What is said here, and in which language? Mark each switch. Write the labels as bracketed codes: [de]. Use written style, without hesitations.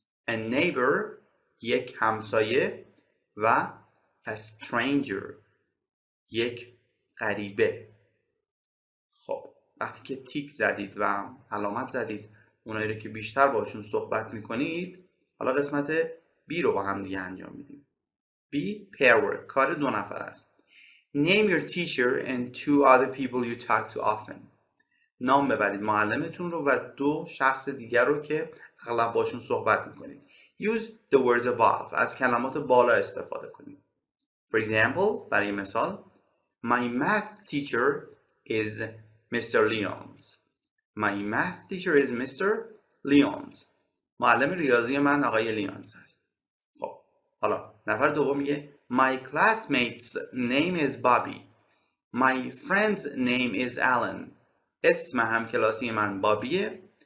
[en] A neighbor, [fa] یک همسایه. و [en] a stranger, [fa] یک غریبه. خب وقتی که تیک زدید و علامت زدید اونایی رو که بیشتر باشون صحبت میکنید، حالا قسمت B رو با هم دیگه انجام میدیم. [en] B pair work، [fa] کار دو نفر است. [en] Name your teacher and two other people you talk to often. [fa] نام ببرید معلمتون رو و دو شخص دیگر رو که اغلب باشون صحبت میکنید. [en] Use the words above، [fa] از کلمات بالا استفاده کنید. [en] For example، [fa] برای مثال، [en] My math teacher is Mr. Leons. My math teacher is Mr. Leons. [fa] معلم ریاضی من آقای لیونز است. خب حالا نفر دوم میگه [en] My classmate's name is Bobby. My friend's name is Alan. [fa] اسم همکلاسی من بابیه.